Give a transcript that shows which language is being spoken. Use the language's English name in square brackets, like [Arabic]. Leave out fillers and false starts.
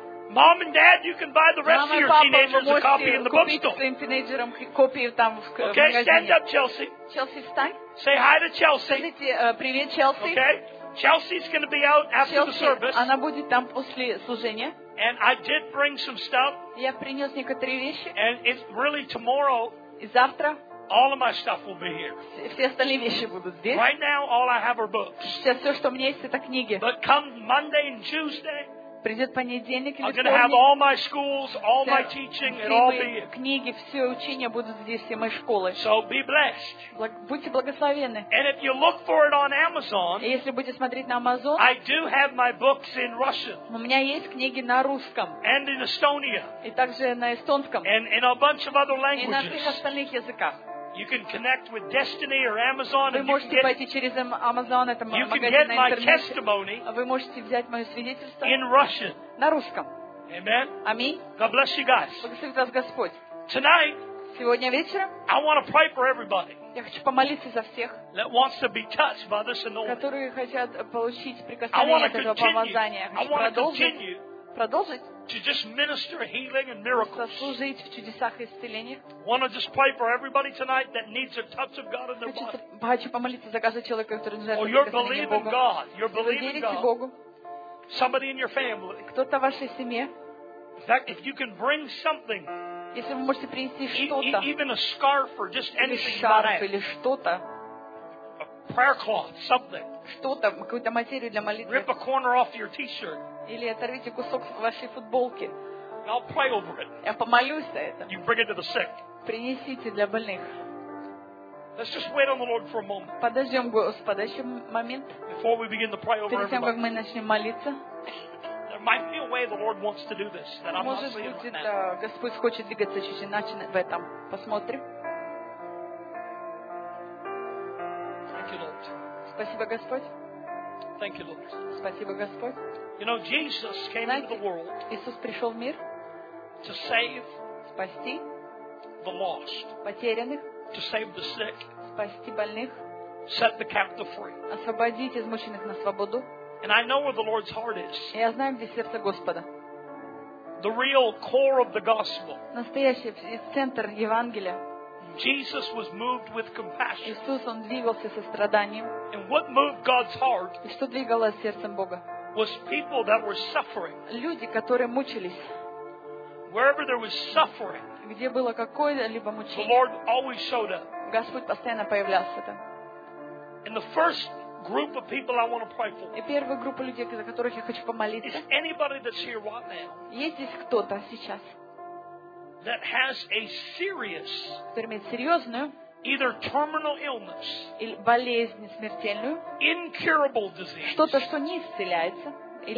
[English] Mom and Dad, you can buy the rest of your teenagers a copy in the bookstore. Okay, stand up, Chelsea. Chelsea, stand. Say hi to Chelsea. [Russian] Скажите привет, Chelsea. [English] Okay, Chelsea's going to be out after the service. [Russian] Она будет там после служения. [English] And I did bring some stuff. [Russian] Я принес некоторые вещи. [English] And it's really tomorrow. [Russian] И завтра. [English] All of my stuff will be here. [Russian] Все остальные вещи будут здесь. [English] Right now, all I have are books. [Russian] Сейчас все, что у меня есть, это книги. [English] But come Monday and Tuesday. [Russian] Придет понедельник или вторник. [English] Have all my schools, all my teaching, and all the [Russian] книги, все учения будут здесь, все мои школы. [English] So be blessed. [Russian] Будьте благословенны. [English] And if you look for it on Amazon, [Russian] если будете смотреть на Amazon, [English] I do have my books in Russian. [Russian] У меня есть книги на русском. [English] And in Estonia. [Russian] И также на эстонском. [English] And in a bunch of other languages. [Russian] И на всех остальных языках. [English] You can connect with Destiny or Amazon. [Russian] Вы можете пойти через Amazon, это магазин на интернете. [English] You can get my testimony. [Russian] Вы можете взять моё свидетельство. [English] In Russian. [Russian] На русском. [English] Amen. [Russian] Аминь. [English] God bless you guys. [Russian] Благословит вас Господь. [English] Tonight. [Russian] Сегодня вечером. [English] I want to pray for everybody. [Russian] Я хочу помолиться за всех. [English] That wants to be touched by this anointing. [Russian] Которые хотят получить прикосновение этого помазания. [English] I want to continue. To just minister healing and miracles. [Russian] Служить в чудесах исцеления. [English] Want to just pray for everybody tonight that needs a touch of God in their body. [Russian] Хочу помолиться за каждого человека, который нуждается в Боге. [English] Oh, you're believing God. You're believing God. [Russian] Верите Богу. [English] Somebody in your family. [Russian] Кто-то в вашей семье. [English] In fact, if you can bring something. [Russian] Если вы можете принести что-то. [English] Even a scarf or just anything. [Russian] Шарф или что-то. [English] A prayer cloth, something. [Russian] Что-то, какую-то материю для молитвы. [English] Rip a corner off your t-shirt. [Russian] Или оторвите кусок вашей футболки. [English] I'll pray over it. [Russian] Я помолюсь за это. [English] You bring it to the sick. [Russian] Принесите для больных. [English] Let's just wait on the Lord for a moment. [Russian] Подождем Господа еще момент. [English] Before we begin to pray over everybody. [Russian] Перед тем, как мы начнем молиться. [English] There might be a way the Lord wants to do this. [Russian] Может быть, Господь хочет двигаться чуть иначе в этом. Посмотрим. [English] Thank you, Lord. [Russian] Спасибо, Господь. [English] Thank you, Lord. [Russian] Спасибо, Господь. [English] You know, Jesus came [Russian] Знаете, [English] into the world [Russian] Иисус пришел в мир [English] to save [Russian] спасти [English] the lost, [Russian] потерянных, [English] to save the sick, [Russian] спасти больных, [English] set the captive free. [Russian] Освободить измученных на свободу. [English] And I know where the Lord's heart is. [Russian] Я знаю, где сердце Господа. [English] The real core of the gospel. [Russian] Настоящий центр Евангелия. [English] Jesus was moved with compassion. [Russian] Иисус, он двигался со страданием. [English] And what moved God's heart? [Russian] И что двигало сердцем Бога? [English] Was people that were suffering. [Russian] Люди, которые мучились. [English] Wherever there was suffering. [Russian] Где было какое-либо мучение. [English] The Lord always showed up. [Russian] Господь постоянно появлялся там. [English] And the first group of people I want to pray for. [Russian] И первая группа людей, за которых я хочу помолиться. [English] Is anybody that's here right now? [Russian] Есть здесь кто-то сейчас? [English] That has a serious. [Russian] Который имеет серьезную. [English] Either terminal illness, [Russian] или болезнь смертельную, [English] incurable disease, [Russian] что-то, что не исцеляется, или